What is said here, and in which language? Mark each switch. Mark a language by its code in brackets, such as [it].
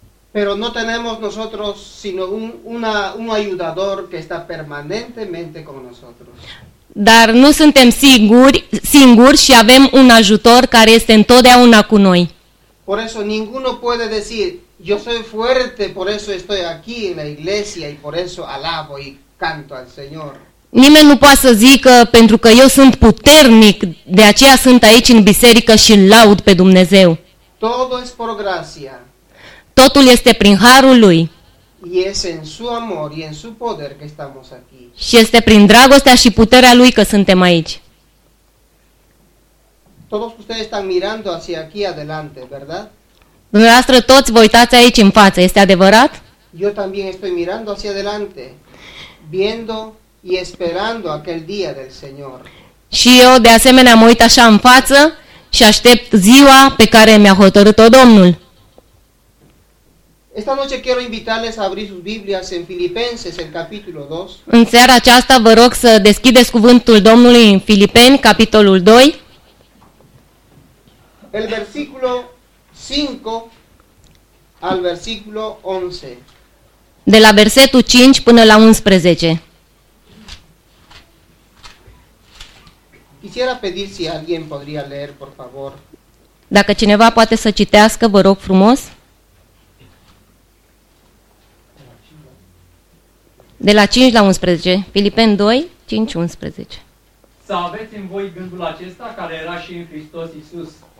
[es] Pero no tenemos nosotros sino un ayudador que está permanentemente con nosotros. [ro] Dar nu suntem singuri și avem un ajutor care este întotdeauna cu noi. [es] Por eso ninguno puede decir, yo soy fuerte, por eso estoy aquí en la iglesia y por eso alabo y canto al Señor. [ro] Nimeni nu poate să zică pentru că eu sunt puternic, de aceea sunt aici în biserică și laud pe Dumnezeu. [es] Todo es por gracia. [ro] Totul este prin harul lui. [es] Y es en su amor y en su poder que estamos aquí. [ro] Și este prin dragostea și puterea lui că suntem aici. [es] Todos ustedes están mirando hacia aquí adelante, ¿verdad? [ro] Dumneavoastră toți vă uitați aici în față, este adevărat? [es] Yo también estoy mirando hacia adelante, viendo y esperando aquel día del Señor. [ro] Și eu de asemenea mă uit așa în față și aștept ziua pe care mi-a hotărât-o Domnul. [es] Esta noche quiero invitarles a abrir sus Biblias en Filipenses, el capítulo 2. [ro] În seara aceasta vă rog să deschideți cuvântul Domnului în Filipeni, capitolul 2. [es] El versículo 5 al versículo 11. [ro] De la versetul 5 până la 11. [es] Quisiera pedir si alguien podría leer, por favor. [ro] Dacă cineva poate să citească, vă rog frumos. De la 5 la 11, Filipeni 2, 5, 11. Să aveți în voi gândul acesta care era și în Hristos Iisus.